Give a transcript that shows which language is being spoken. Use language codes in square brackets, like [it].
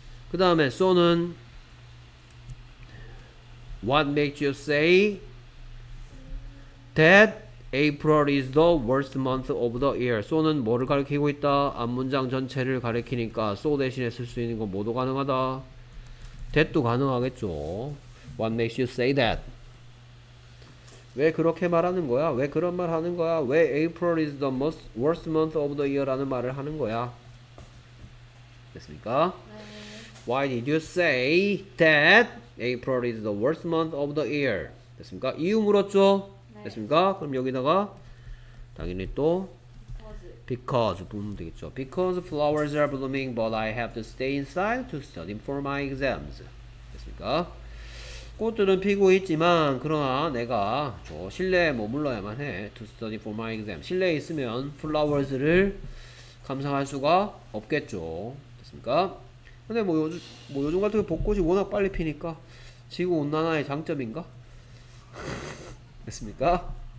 [ko] 그 다음에 so는 [en] what makes you say that April is the worst month of the year. [ko] so는 뭐를 가리키고 있다? 앞문장 전체를 가리키니까 so 대신에 쓸 수 있는 건 모두 가능하다. that도 가능하겠죠. [en] what makes you say that? [ko] 왜 그렇게 말하는 거야? 왜 그런 말 하는 거야? 왜 [en] April is the most worst month of the year [ko] 라는 말을 하는 거야? 됐습니까? [en] Why did you say that April is the worst month of the year? [ko] 됐습니까? 이유 물었죠? 네. 됐습니까? 그럼 여기다가 당연히 또 [en] because [ko] 부르면 되겠죠. [en] Because flowers are blooming, but I have to stay inside to study for my exams. [ko] 됐습니까? 꽃들은 피고 있지만 그러나 내가 저 실내에 머물러야만 해. [en] To study for my exam. [ko] 실내에 있으면 flowers를 감상할 수가 없겠죠. 됐습니까? 근데 뭐 요즘 같은 경우 벚꽃이 워낙 빨리 피니까 지구 온난화의 장점인가? 됐습니까?